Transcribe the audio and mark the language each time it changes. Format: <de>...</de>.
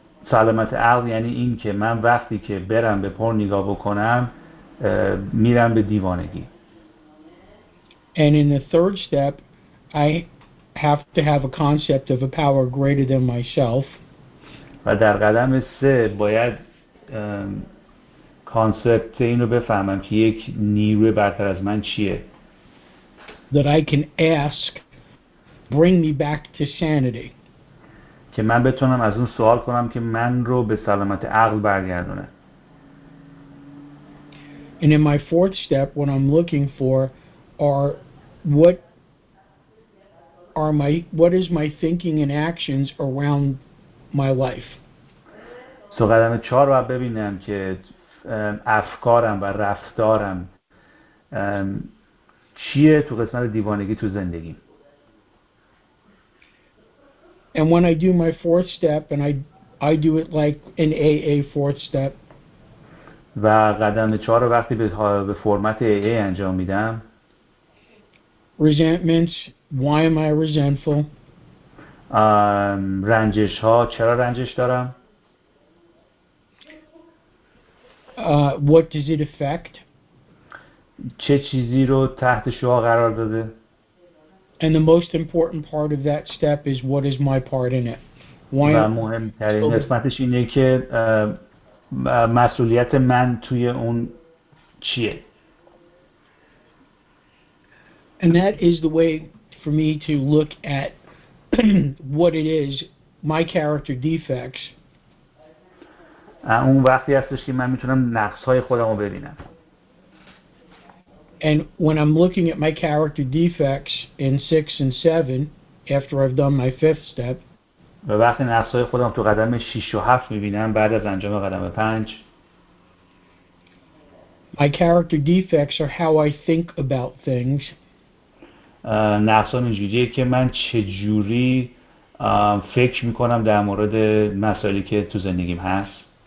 <fa>سلامت عقل یعنی این که من وقتی که برم به پر نگاه بکنم میرم به دیوانگی.</fa> <en>And in the third step, I have to have a concept of a power greater than myself.</en> <fa>و در قدم سه باید کانسپت اینو بفهمم که یک نیروی برتر از من چیه.</fa> <en>That I can ask, bring me back to sanity.</en> <fa>که من بتونم از اون سوال کنم که من رو به سلامت عقل برگردونه.</fa> <en>And in my fourth step, what I'm looking for are what is my thinking and actions around my life.</en> <fa>سو قدم چهار رو ببینم که افکارم و رفتارم چیه تو قسمت دیوانگی تو زندگی.</fa> <en>And when I do my fourth step, and I do it like an AA fourth step.</en> <fa>و قدم چهار رو وقتی به فرمت AA انجام میدم.</fa> <en>Resentments. Why am I resentful?</en> <fa>رنجش ها. چرا رنجش دارم؟</fa> <en>What does it affect?</en> <fa>چه چیزی رو تحت شعاع قرار داده؟</fa> <en>And the most important part of that step is what is my part in it. Why</en> <fa>و مهمترین قسمتش اینه که مسئولیت من توی اون چیه.</fa> <en>And that is the way for me to look at what it is, my character defects.</en> <fa>اون وقتی هستش که من میتونم نقصهای خودم رو ببینم.</fa> <en>And when I'm looking at my character defects in 6 and 7 after I've done my 5th step,</en> <fa>وقتی نقصهای خودم تو قدم 6 و 7 می‌بینم بعد از انجام قدم 5,</fa> <en>my character defects are how I think about things.</en> <fa>نقصان اینجوریه که من چجوری فکر می‌کنم در مورد مسائلی که تو زندگیم هست.</fa>